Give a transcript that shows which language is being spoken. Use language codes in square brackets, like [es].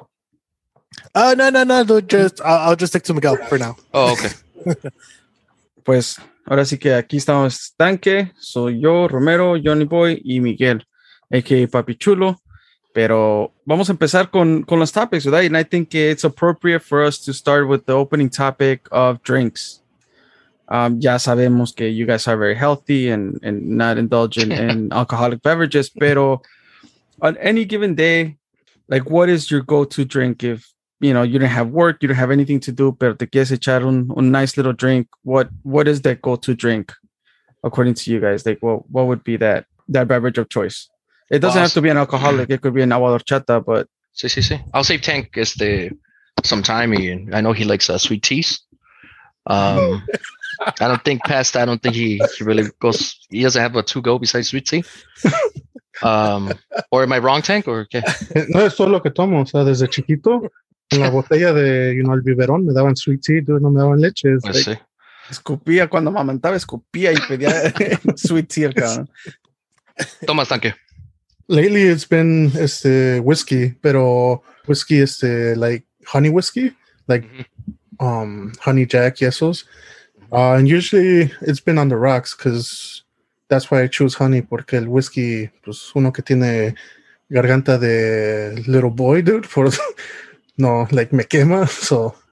[en] No. I'll just stick to Miguel for now. Oh, okay. [es] Pues ahora sí que aquí estamos, tanque. Soy yo, Romero, Johnny Boy y Miguel, a.k.a. Papi Chulo. Pero vamos a empezar con los topics, ¿verdad? [en] And I think it's appropriate for us to start with the opening topic of drinks. [es] Ya sabemos que [en] you guys are very healthy and not indulgent in alcoholic beverages, pero on any given day, like, what is your go-to drink if, you know, you don't have work, you don't have anything to do, [es] pero te quieres echar un [en] nice little drink? What is that go-to drink according to you guys? Like, what would be that beverage of choice? It doesn't have to be an alcoholic. Yeah. It could be an agua horchata, but... [es] Sí, sí, sí. [en] I'll save Tank some time. I know he likes sweet teas. I don't think past that, I don't think he really goes... He doesn't have a to-go besides sweet tea. Or am I wrong, Tank? [es] Or qué? No, es solo que tomo. O sea, desde chiquito, en la botella de, [en] you know, [es] el biberón, me daban sweet tea, dude, no me daban leche. Sí. Pues like, escupía cuando mamantaba, escupía y pedía sweet tea, cabrón. Toma, Tanque. [en] Lately, it's been whiskey, [es] pero whiskey [en] like honey whiskey, like honey jack, yesos. And usually, it's been on the rocks because that's why I choose honey, [es] porque el whiskey, pues uno que tiene garganta de [en] little boy, dude, for no, like [es] me quema, [en] so.